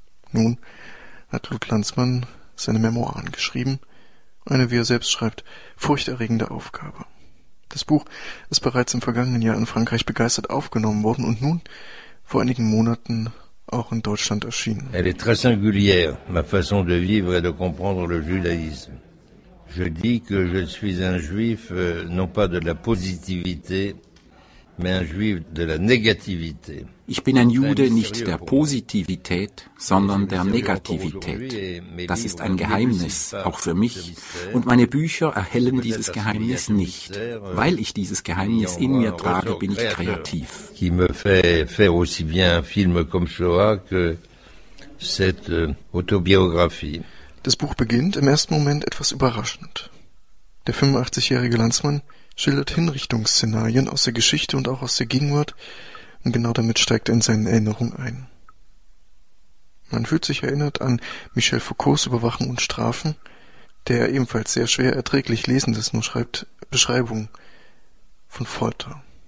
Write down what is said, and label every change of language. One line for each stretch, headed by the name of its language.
German: Nun hat Knut Landsmann seine Memoiren geschrieben, eine, wie er selbst schreibt, furchterregende Aufgabe. Das Buch ist bereits im vergangenen Jahr in Frankreich begeistert aufgenommen worden und nun, vor einigen Monaten, auch in Deutschland erschienen.
French: Elle est très singulière, ma façon de vivre et de comprendre le judaïsme. Je dis que je suis un juif, non pas de la positivité, mais un juif de la négativité.
German: Ich bin ein Jude nicht der Positivität, sondern der Negativität. Das ist ein Geheimnis, auch für mich. Und meine Bücher erhellen dieses Geheimnis nicht. Weil ich dieses Geheimnis in mir trage, bin ich kreativ.
French: Qui me fait faire aussi bien un film comme Shoah que cette autobiographie.
German: Das Buch beginnt im ersten Moment etwas überraschend. Der 85-jährige Landsmann schildert Hinrichtungsszenarien aus der Geschichte und auch aus der Gegenwart, und genau damit steigt er in seinen Erinnerungen ein. Man fühlt sich erinnert an Michel Foucaults Überwachen und Strafen, der ebenfalls sehr schwer erträglich Lesendes nur schreibt, Beschreibung von Folter.